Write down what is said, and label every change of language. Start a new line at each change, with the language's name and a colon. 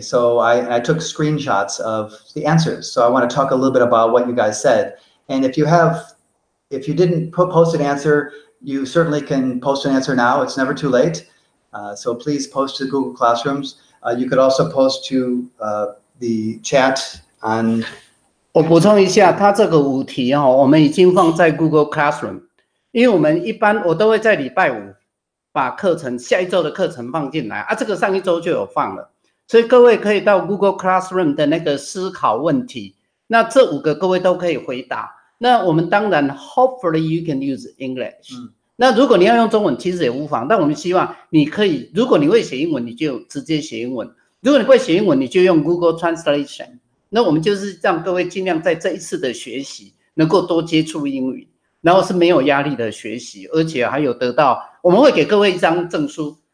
English: So I took screenshots of the answers. So I want to talk a little bit about what you guys said. And if you didn't post an answer, you certainly can post an answer now. It's never too late. So please post to Google Classrooms. You could also post to the chat on.
Chinese: 我补充一下，他这个五题哦，我们已经放在 Google Classroom， 因为我们一般我都会在礼拜五把课程下一周的课程放进来啊，这个上一周就有放了，所以各位可以到 Google Classroom 的那个思考问题，那这五个各位都可以回答。那我们当然
English: ，hopefully you can use English、嗯。
Chinese: 那如果你要用中文其实也无妨，但我们希望你可以，如果你会写英文你就直接写英文，如果你会写英文你就用 Google Translation， 那我们就是让各位尽量在这一次的学习能够多接触英语，然后是没有压力的学习，而且还有得到，我们会给各位一张证书。